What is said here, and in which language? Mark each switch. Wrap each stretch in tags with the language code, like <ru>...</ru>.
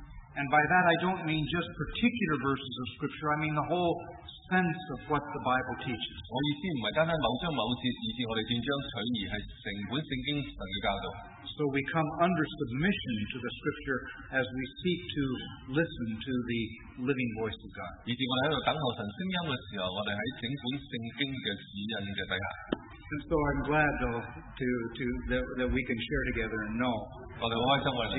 <en>And by that I don't mean just particular verses of Scripture, I mean the whole sense of what the Bible teaches.</en> <zh>我意思不是单单某章某节以至我们断章取义，是整本圣经神的教导。</zh> <en>So we come under submission to the Scripture as we seek to listen to the living voice of God.</en> <zh>以至我们在等候神声音的时候，我们在整本圣经的指引的底下。</zh> <en>And so I'm glad that we can share together and know.</en>